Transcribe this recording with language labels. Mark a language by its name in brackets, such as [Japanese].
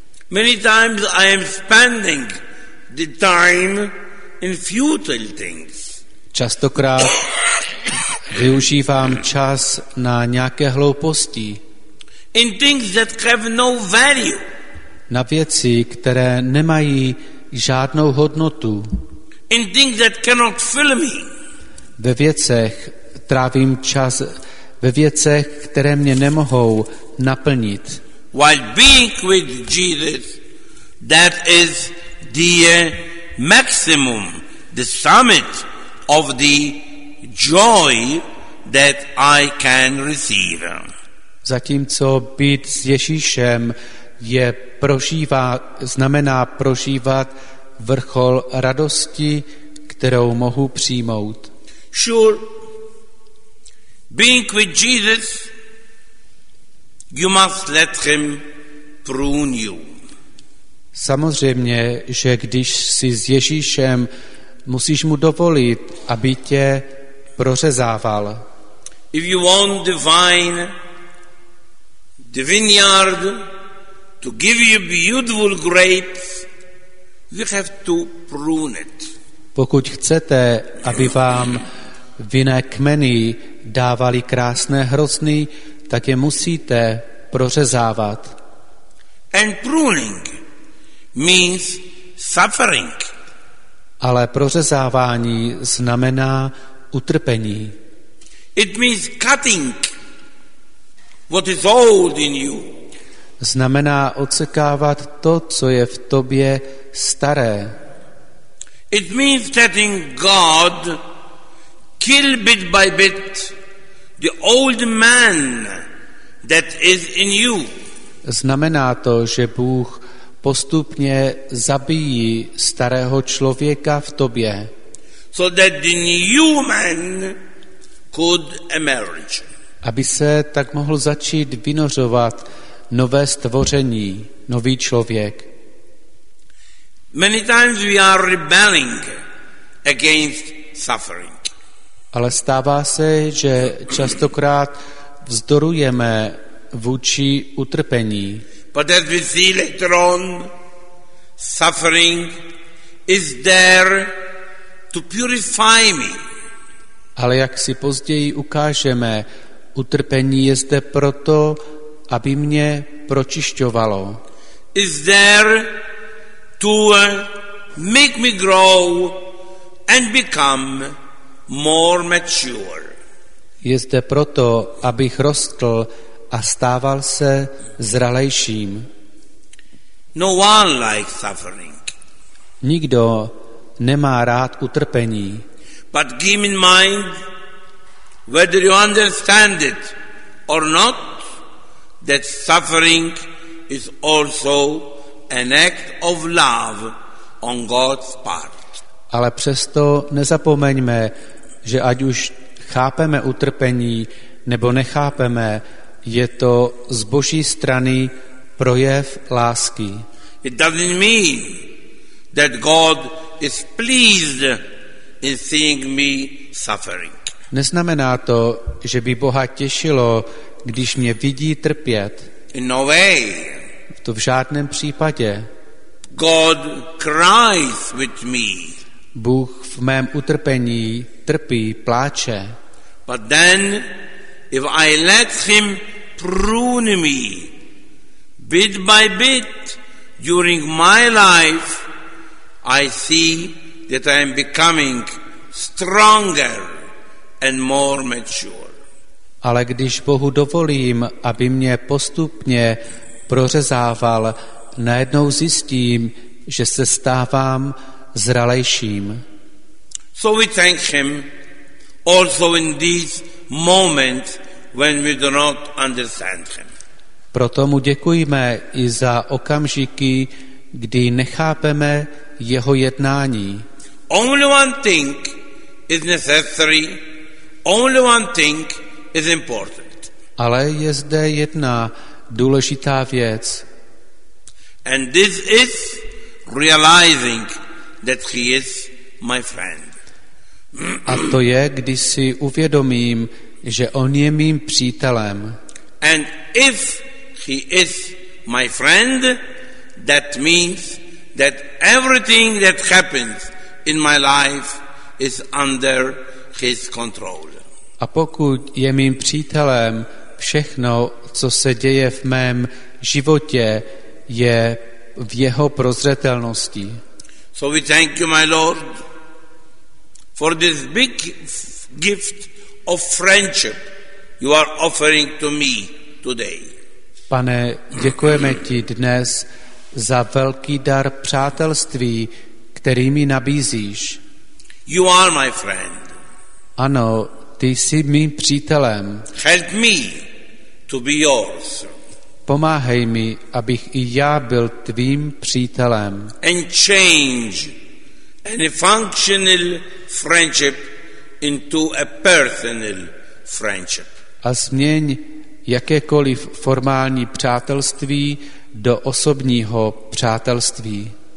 [English] Many times I am spending the time in futile things. [Czech] Častokrát využívám čas na nějaké hlouposti. [English] In things that have no value. [Czech] Na věci, které nemají žádnou hodnotu. [English] In things that cannot fill me. [Czech] Ve věcech trávím čas, ve věcech, které mě nemohou naplnit. [English] While being with Jesus, that is the maximum, the summit of the joy that I can receive. [Czech] Zatímco být s Ježíšem je znamená prožívat vrchol radosti, kterou mohu přijmout. [English] Sure, being with Jesus, you must let him prune you. [Czech] Samozřejmě, že když jsi s Ježíšem, musíš mu dovolit, aby tě prořezával. [English] If you want the vine, the vineyard to give you beautiful grapes, you have to prune it. [Czech] Pokud chcete, aby vám vinné kmeny dávali krásné hrozny, tak je musíte prořezávat. [English] And pruning means suffering. [Czech] Ale prořezávání znamená utrpení. [English] It means cutting what is old in you. [Czech] Znamená odsekávat to, co je v tobě staré. [English] It means letting God kill bit by bit the old man that is in you. [Czech] Znamená to, že Bůh postupně zabíjí starého člověka v tobě. [English] So that the new man could emerge. [Czech] Aby se tak mohl začít vynořovat nové stvoření, nový člověk. [English] Many times we are rebelling against suffering. [Czech] Ale stává se, že častokrát vzdorujeme vůči utrpení. [English] But as we see later on, suffering is there to purify me. [Czech] Ale jak si později ukážeme, utrpení je zde proto, aby mě pročišťovalo. [English] Is there to make me grow and become more mature. [Czech] Je zde proto, abych rostl a stával se zralejším. [English] No one likes suffering. [Czech] Nikdo nemá rád utrpení. [English] But keep in mind, whether you understand it or not, that suffering is also an act of love on God's part. [Czech] Ale přesto nezapomeňme, že ať už chápeme utrpení nebo nechápeme, je to z Boží strany projev lásky. [English] It doesn't mean that God is pleased in seeing me suffering. [Czech] Neznamená to, že by Boha těšilo, když mě vidí trpět. [English] In no way. [Czech] To v žádném případě. [English] God cries with me. [Czech] Bůh v mém utrpení trpí, pláče. [English] But then, if I let him prune me bit by bit during my life, I see that I am becoming stronger and more mature. [Czech] Ale když Bohu dovolím, aby mě postupně prořezával, najednou zjistím, že se stávám zralejším. [English] So we thank him also in these moments when we do not understand him. [Czech] Proto mu děkujeme i za okamžiky, kdy nechápeme jeho jednání. [English] Only one thing is necessary. Only one thing is important. [Czech] Ale je zde jedna důležitá věc. [English] And this is realizing that he is my friend. [Czech] A to je, když si uvědomím, že on je mým přítelem. [English] And if he is my friend, that means that everything that happens in my life is under his control. [Czech] A pokud je mým přítelem, všechno, co se děje v mém životě, je v jeho prozřetelnosti. [English] So we thank you, my Lord, for this big gift of friendship you are offering to me today. [Czech] Pane, děkujeme ti dnes za velký dar přátelství, který mi nabízíš. [English] You are my friend. [Czech] Ano, ty jsi mým přítelem. [English] Help me to be yours. [Czech] Pomáhej mi, abych i já byl tvým přítelem. [English] And change any functional friendship into a personal friendship. [Czech] A změň jakékoliv formální přátelství do osobního přátelství.